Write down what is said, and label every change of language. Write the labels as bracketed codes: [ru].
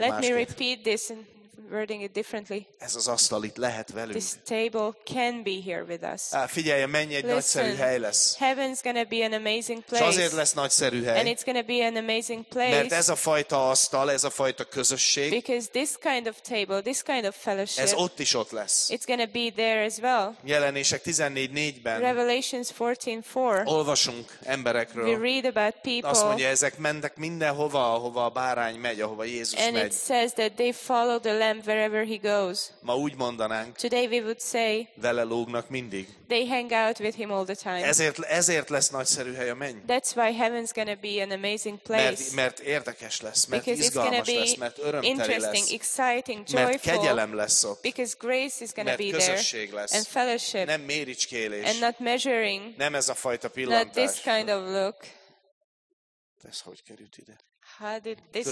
[en] let másképp. Me repeat this and wording it differently. [hu] Ez az asztal itt lehet velünk. [en] This table can be here with us. [hu] Figyelj, menj, egy [en] listen, [hu] nagyszerű hely lesz. [en] Heaven's gonna be an amazing place. [hu] És azért lesz nagyszerű hely. [en] And it's gonna be an amazing place. [hu] Mert ez a fajta asztal, ez a fajta közösség. [en] Because this kind of table, this kind of fellowship. [hu] Ez ott is ott lesz. [en] It's gonna be there as well. [hu] Jelenések 14:4-ben. [en] Revelations 14:4. [hu] Olvasunk emberekről. [en] We read about people. [hu] Azt mondja, ezek mennek mindenhova, ahova a bárány megy, ahova Jézus [en] and [hu] megy. [en] And it says that they follow the wherever he goes. [hu] Ma úgy mondanánk, [en] today we would say, [hu] vele lógnak mindig. [en] They hang out with him all the time. [hu] Ezért lesz nagyszerű hely a menny. [en] That's why heaven's gonna be an amazing place. [hu] Mert érdekes lesz, mert [en] because [hu] izgalmas lesz, mert örömteli [en] interesting, [hu] lesz, [en] exciting, joyful, [hu] mert kegyelem lesz ott, [en] because grace is gonna [hu] mert [en] be [hu] közösség [en] there, [hu] lesz, [en] and fellowship, [hu] nem méricskélés, [en] and not measuring, [hu] nem ez a fajta pillantás, [en] not this kind of look. [hu] Ez hogy került ide? [en] How did this